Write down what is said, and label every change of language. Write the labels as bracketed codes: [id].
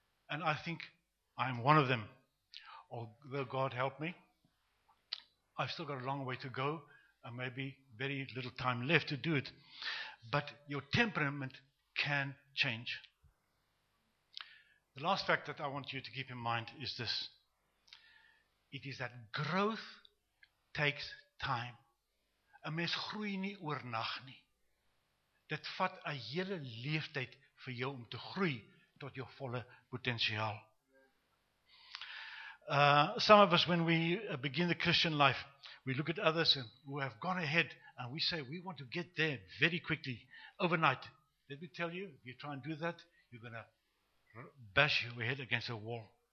[en] And I think I'm one of them. Although God help me, I've still got a long way to go and maybe very little time left to do it. But your temperament can change. The last fact that I want you to keep in mind is this. It is that growth takes time. [af] 'N mens groei nie oornag nie. Dit vat 'n hele leeftyd vir jou om te groei tot jou volle potensiaal. [en] Some of us, when we begin the Christian life, we look at others and who have gone ahead and we say we want to get there very quickly, overnight. Let me tell you, if you try and do that, you're going to bash your head against a wall.